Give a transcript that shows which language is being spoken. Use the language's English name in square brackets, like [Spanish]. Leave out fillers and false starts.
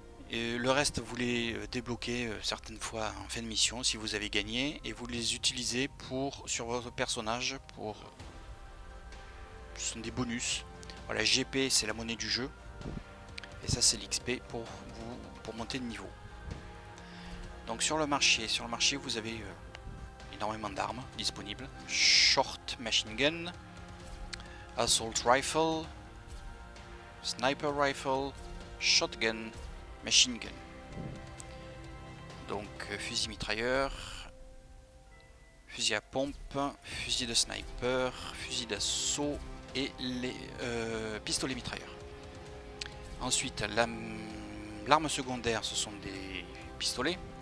[French] Et le reste, vous les débloquez certaines fois en fin de mission si vous avez gagné, et vous les utilisez pour sur votre personnage pour. Ce sont des bonus. Voilà, GP, c'est la monnaie du jeu. Et ça, c'est l'XP pour monter de niveau. Donc sur le marché, vous avez énormément d'armes disponibles. [English] Short machine gun, assault rifle, sniper rifle, shotgun, machine gun. [French] Donc fusil mitrailleur, fusil à pompe, fusil de sniper, fusil d'assaut et les pistolets mitrailleurs. Ensuite, l'arme secondaire, ce sont des pistolets.